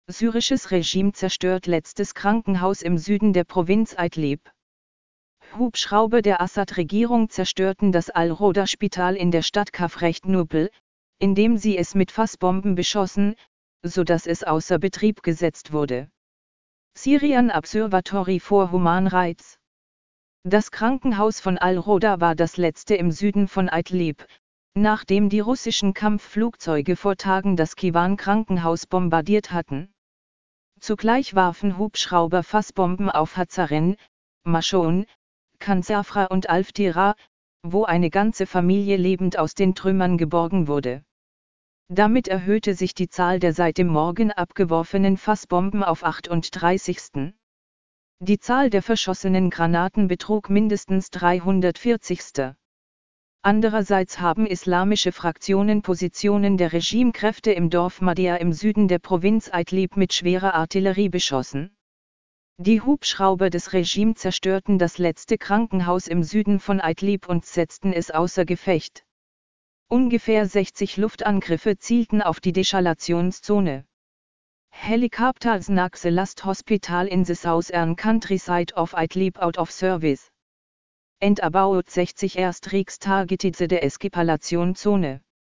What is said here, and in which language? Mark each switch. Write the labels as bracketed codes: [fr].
[de] Syrisches Regime zerstört letztes Krankenhaus im Süden der Provinz Idlib. Hubschrauber der Assad-Regierung zerstörten das Al-Roda-Spital in der Stadt Kafrecht Nubl, indem sie es mit Fassbomben beschossen, sodass es außer Betrieb gesetzt wurde. [en] Syrian Observatory for Human Rights. [de] Das Krankenhaus von Al-Roda war das letzte im Süden von Idlib, nachdem die russischen Kampfflugzeuge vor Tagen das Kiwan-Krankenhaus bombardiert hatten. Zugleich warfen Hubschrauber Fassbomben auf Hazarin, Mashon, Kansafra und Alftira, wo eine ganze Familie lebend aus den Trümmern geborgen wurde. Damit erhöhte sich die Zahl der seit dem Morgen abgeworfenen Fassbomben auf 38. Die Zahl der verschossenen Granaten betrug mindestens 340. Andererseits haben islamische Fraktionen Positionen der Regimekräfte im Dorf Madia im Süden der Provinz Idlib mit schwerer Artillerie beschossen. Die Hubschrauber des Regimes zerstörten das letzte Krankenhaus im Süden von Idlib und setzten es außer Gefecht. Ungefähr 60 Luftangriffe zielten auf die Deschalationszone. [en] Helicopters knock the last hospital in the southern countryside of Idlib out of service. And about 60 airstrikes targeted the deescalation zone.